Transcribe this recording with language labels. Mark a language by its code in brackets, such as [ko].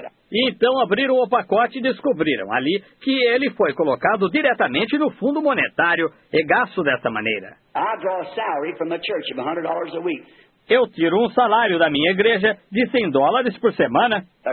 [pt] E então abriram o pacote e descobriram ali que ele foi colocado diretamente no fundo monetário e gasto dessa maneira. [en] I draw a salary from the church of $100 a week. [pt] Eu tiro um salário da minha igreja de $100 por semana.